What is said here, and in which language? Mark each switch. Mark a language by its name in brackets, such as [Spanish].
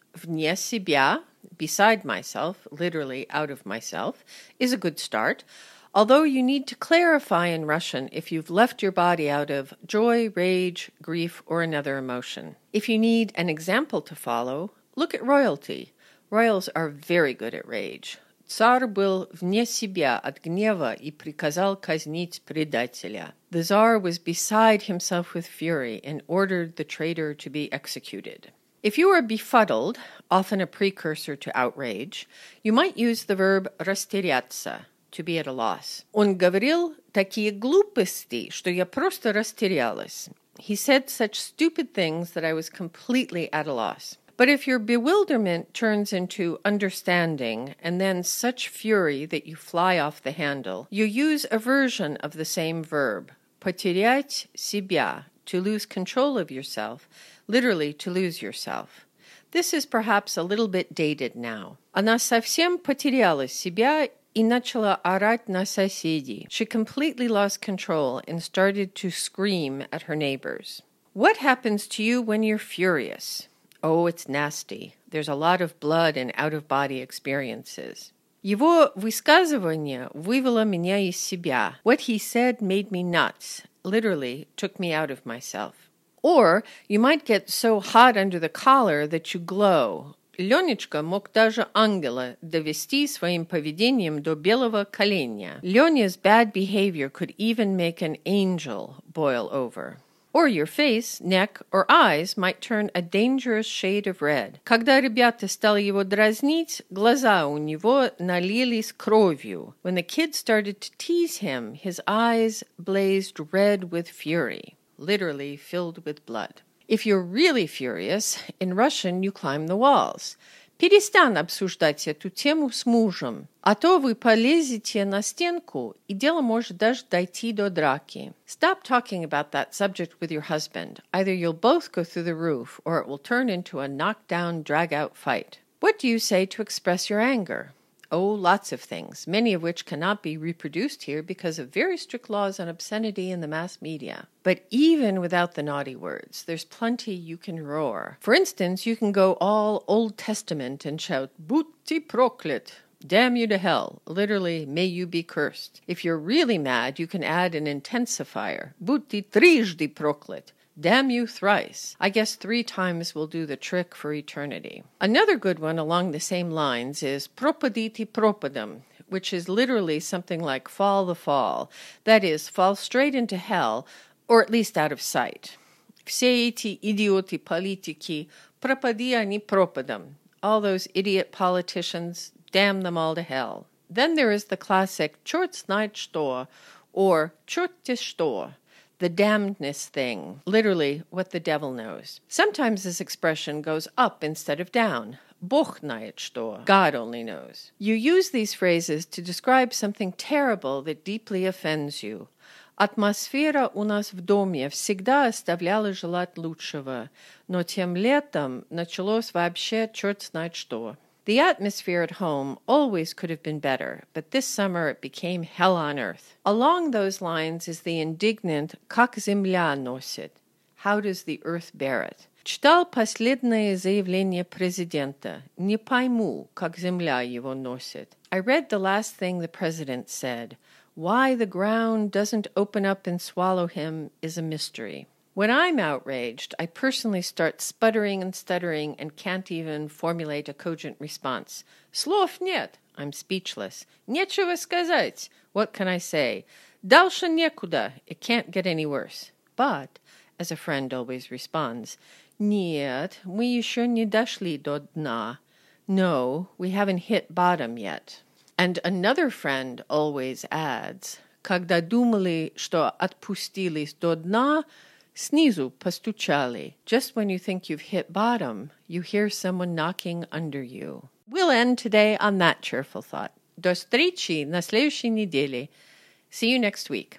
[Russian] Вне себя, [English] beside myself, literally out of myself, is a good start. Although you need to clarify in Russian if you've left your body out of joy, rage, grief, or another emotion. If you need an example to follow, look at royalty. Royals are very good at rage. [Russian] Цар был вне себя от гнева и приказал казнить предателя. [English] The Tsar was beside himself with fury and ordered the traitor to be executed. If you are befuddled, often a precursor to outrage, you might use the verb растеряться, to be at a loss. [Russian] Он говорил такие глупости, что я просто растерялась. [English] He said such stupid things that I was completely at a loss. But if your bewilderment turns into understanding and then such fury that you fly off the handle, you use a version of the same verb, [Russian] потерять себя, [English] to lose control of yourself, literally to lose yourself. This is perhaps a little bit dated now. [Russian] Она совсем потеряла себя и начала орать на соседей. [English] She completely lost control and started to scream at her neighbors. What happens to you when you're furious? Oh, it's nasty. There's a lot of blood and out-of-body experiences. [Russian] Его высказывание вывело меня из себя. [English] What he said made me nuts, literally took me out of myself. Or you might get so hot under the collar that you glow. [Russian] Лёнечка мог даже ангела довести своим поведением до белого коленя. [English] Лёня's bad behavior could even make an angel boil over. Or your face, neck, or eyes might turn a dangerous shade of red. [Russian] Когда ребята стали его дразнить, глаза у него налились кровью. [English] When the kids started to tease him, his eyes blazed red with fury, literally filled with blood. If you're really furious, in Russian you climb the walls. [Russian] Перестань обсуждать эту тему с мужем, а то вы полезете на стенку, и дело может даже дойти до драки. [English] Stop talking about that subject with your husband. Either you'll both go through the roof, or it will turn into a knockdown, drag-out fight. What do you say to express your anger? Oh, lots of things, many of which cannot be reproduced here because of very strict laws on obscenity in the mass media. But even without the naughty words, there's plenty you can roar. For instance, you can go all Old Testament and shout, [Russian] "Будьте проклят!" [English] Damn you to hell. Literally, may you be cursed. If you're really mad, you can add an intensifier. [Russian] "Будьте трижды проклят!" [English] Damn you thrice. I guess three times will do the trick for eternity. Another good one along the same lines is propaditi propadam, which is literally something like fall the fall. That is, fall straight into hell, or at least out of sight. [Russian] Все эти идиоты политики, пропади они пропадам. [English] All those idiot politicians, damn them all to hell. Then there is the classic [Russian] черт знает что, [English] or [Russian] черт что. [English] The damnedness thing, literally, what the devil knows. Sometimes this expression goes up instead of down. [Russian] Бог знает что. [English] God only knows. You use these phrases to describe something terrible that deeply offends you. [Russian] Атмосфера у нас в доме всегда оставляла желать лучшего, но тем летом началось вообще черт знает что. [English] The atmosphere at home always could have been better, but this summer it became hell on earth. Along those lines is the indignant [Russian] «Как земля носит?» [English] How does the earth bear it? [Russian] Читал последнее заявление президента. Не пойму, как земля его носит. [English] I read the last thing the president said. Why the ground doesn't open up and swallow him is a mystery. When I'm outraged, I personally start sputtering and stuttering and can't even formulate a cogent response. [Russian] Слов нет. [English] I'm speechless. [Russian] Нечего сказать. [English] What can I say? [Russian] Дальше некуда. [English] It can't get any worse. But, as a friend always responds, [Russian] нет, мы еще не дошли до дна. [English] No, we haven't hit bottom yet. And another friend always adds, [Russian] когда думали, что отпустились до дна, Снизу постучали. [English] Just when you think you've hit bottom, you hear someone knocking under you. We'll end today on that cheerful thought. [Russian] До встречи на следующей неделе. [English] See you next week.